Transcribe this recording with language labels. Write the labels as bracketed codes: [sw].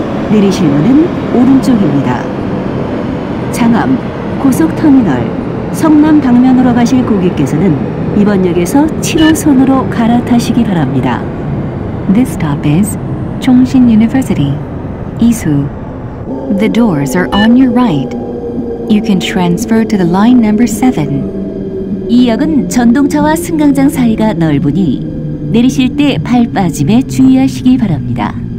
[ko] 내리실 문은 오른쪽입니다. 장암 고속터미널 성남 방면으로 가실 고객께서는 이번 역에서 7호선으로 갈아타시기 바랍니다. [en] This stop is 총신 University, 이수. The doors are on your right. You can transfer to the line number 7. [ko] 이 역은 전동차와 승강장 사이가 넓으니 내리실 때 발 빠짐에 주의하시기 바랍니다.